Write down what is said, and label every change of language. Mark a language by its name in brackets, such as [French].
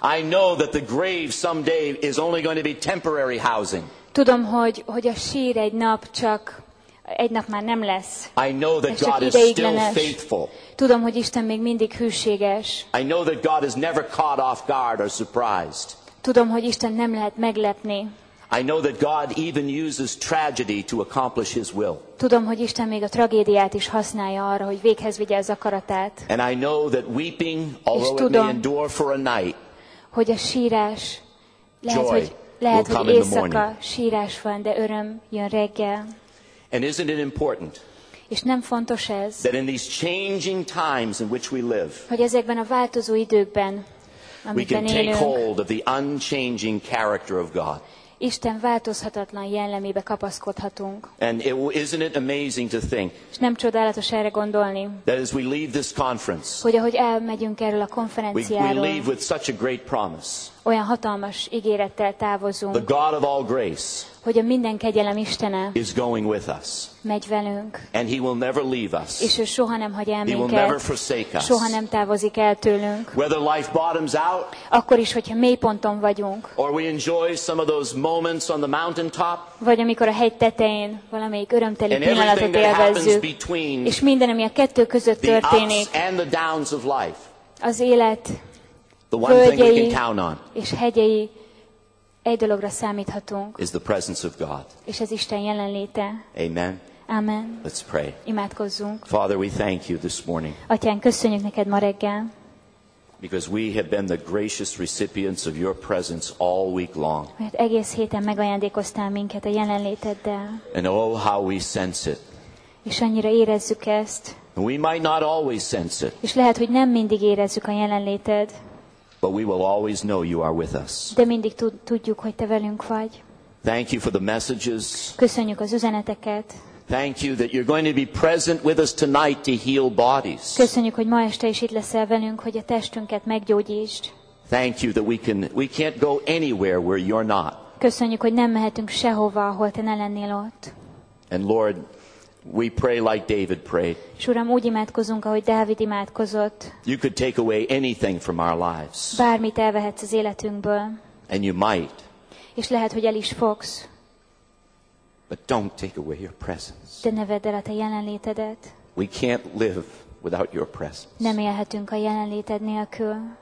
[English] I know that the grave someday is only going to be temporary housing. [Hungarian] Tudom, hogy a sír egy nap csak egy nap már nem lesz. [English] I know that God is still faithful. [Hungarian] Tudom, hogy Isten még mindig hűséges. [English] I know that God is never caught off guard or surprised. [Hungarian] Tudom, hogy Isten nem lehet meglepni. [English] I know that God even uses tragedy to accomplish his will. [Hungarian] Tudom, hogy Isten még a tragédiát is használja arra, hogy véghez vigye az akaratát. [English] And I know that weeping, although [Hungarian] tudom, [English] it may endure for a night, [Hungarian] hogy a sírás lehet, Hogy lehet, hogy éjszaka sírás van, de öröm jön reggel. [English] And isn't it important? [Hungarian] És nem fontos ez? [English] That in these changing times in which we live. [Hungarian] Hogy ezekben a változó időkben, amikben élünk. [English] We can take hold of the unchanging character of God. [Hungarian] Isten változhatatlan jellemébe kapaszkodhatunk. [English] And isn't it amazing to think? [Hungarian] És nem csodálatos erre gondolni? [English] That as we leave this conference. [Hungarian] Hogy ahogy elmegyünk erről a konferenciáról. [English] We leave with such a great promise. [Hungarian] Olyan hatalmas ígérettel távozunk. [English] The God of all grace. [Hungarian] Hogy a minden kegyelem Istene. [English] Is going with us. [Hungarian] Megy velünk. [English] And he will never leave us. [Hungarian] És ő soha nem hagy el minket. [English] He will never forsake us. [Hungarian] Soha nem távozik el tőlünk. [English] Whether life bottoms out. [Hungarian] Akkor is, hogyha mély ponton vagyunk. [English] Or we enjoy some of those moments on the mountaintop. [Hungarian] Vagy amikor a hegy tetején valamelyik örömteli pillanatot élvezzük. És minden, ami a kettő között [English] the [Hungarian] történik. [English] Ups and the downs of life. [Hungarian] Az élet. [English] The one thing we can count on. [Hungarian] És hegyei egy dologra számíthatunk. [English] Is the presence of God. [Hungarian] És ez Isten jelenléte. [English] Amen. [Hungarian] Amen. [English] Let's pray. [Hungarian] Imádkozzunk. [English] Father, we thank you this morning. [Hungarian] Atyán, köszönjük neked ma reggel. [English] Because we have been the gracious recipients of your presence all week long. [Hungarian] Mert egész héten megajándékoztál minket a jelenléteddel. [English] And oh, how we sense it. [Hungarian] És annyira érezzük ezt. [English] We might not always sense it. [Hungarian] És lehet, hogy nem mindig érezzük a jelenléted. [English] But we will always know you are with us. [Hungarian] De mindig tudjuk, hogy te velünk vagy. [English] Thank you for the messages. [Hungarian] Köszönjük az üzeneteket. [English] Thank you that you're going to be present with us tonight to heal bodies. [Hungarian] Köszönjük, hogy ma este is itt leszel velünk, hogy a testünket meggyógyítsd. [English] Thank you that we can't go anywhere where you're not. [Hungarian] Köszönjük, hogy nem mehetünk sehova, ahol te ne lennél ott. [English] And Lord, we pray like David prayed. [Hungarian] S Uram, úgy imádkozunk, ahogy Dávid imádkozott. [English] You could take away anything from our lives. [Hungarian] Bármit elvehetsz az életünkből. [English] And you might. [Hungarian] És lehet, hogy el is fogsz. [English] But don't take away your presence. [Hungarian] De ne vedd el a te jelenlétedet. [English] We can't live without your presence. [Hungarian] Nem élhetünk a jelenléted nélkül.